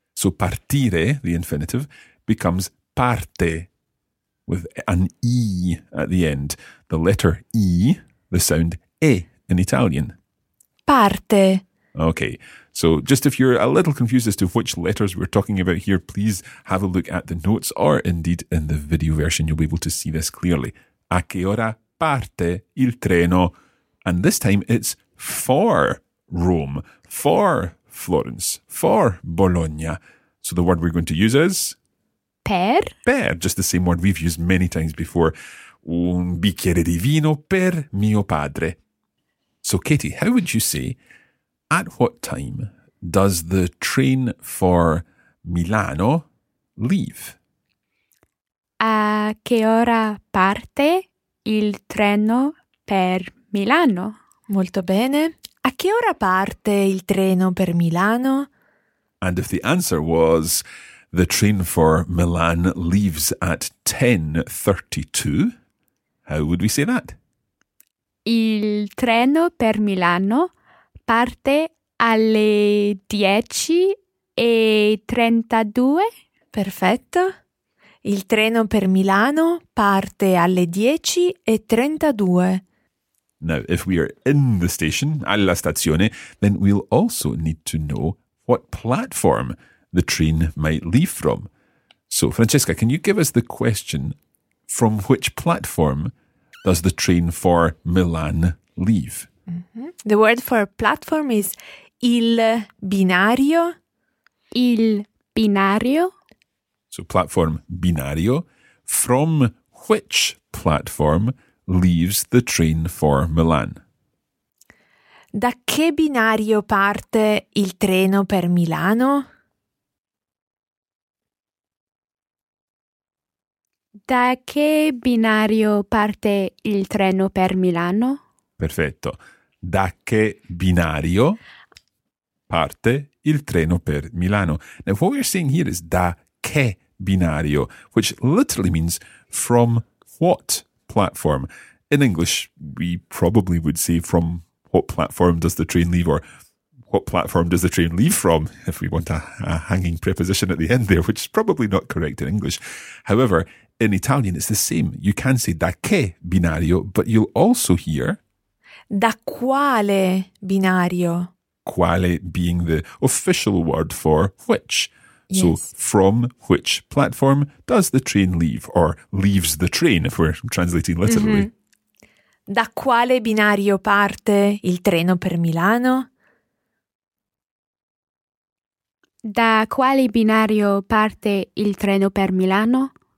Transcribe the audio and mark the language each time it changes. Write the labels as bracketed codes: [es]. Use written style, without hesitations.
[en] So, partire, the infinitive, becomes parte with an E at the end. The letter E, the sound E in Italian. [it] Parte. [en] Okay, so just if you're a little confused as to which letters we're talking about here, please have a look at the notes or indeed in the video version. You'll be able to see this clearly. [it] A che ora parte il treno? [en] And this time it's for Rome, for Florence, for Bologna. So the word we're going to use is? [it] Per. [en] Per, just the same word we've used many times before. [it] Un bicchiere di vino per mio padre. [en] So Katie, how would you say, at what time does the train for Milano leave? [it] A che ora parte il treno per Milano? Molto bene. A che ora parte il treno per Milano? [en] And if the answer was, the train for Milan leaves at 10:32, how would we say that? [it] Il treno per Milano parte alle 10:32. Perfetto. Il treno per Milano parte alle 10:32. [en] Now, if we are in the station, [it] alla stazione, [en] then we'll also need to know what platform the train might leave from. So, Francesca, can you give us the question, from which platform does the train for Milan leave? The word for platform is il binario. [it] Il binario. [en] So platform binario. From which platform leaves the train for Milan? [it] Da che binario parte il treno per Milano? Da che binario parte il treno per Milano? Perfetto. Da che binario parte il treno per Milano? [en] Now, what we're saying here is [it] da che binario, [en] which literally means from what platform. In English, we probably would say from what platform does the train leave, or what platform does the train leave from, if we want a hanging preposition at the end there, which is probably not correct in English. However, in Italian, it's the same. You can say [it] da che binario, [en] but you'll also hear [it] da quale binario. [en] Quale being the official word for which. Yes. So from which platform does the train leave, or leaves the train, if we're translating literally. Mm-hmm. [it] Da quale binario parte il treno per Milano? Da quale binario parte il treno per Milano?